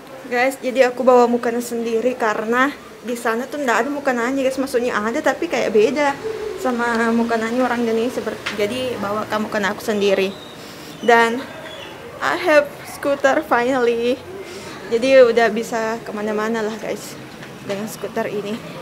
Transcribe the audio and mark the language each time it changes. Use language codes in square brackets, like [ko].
[id] Guys, jadi aku bawa mukena sendiri karena di sana tuh enggak ada mukenanya, guys. Maksudnya ada tapi kayak beda sama mukenanya orang Indonesia. Jadi bawa kamu kena aku sendiri. [en] Dan I have scooter finally. [id] Jadi udah bisa kemana-mana lah guys dengan skuter ini.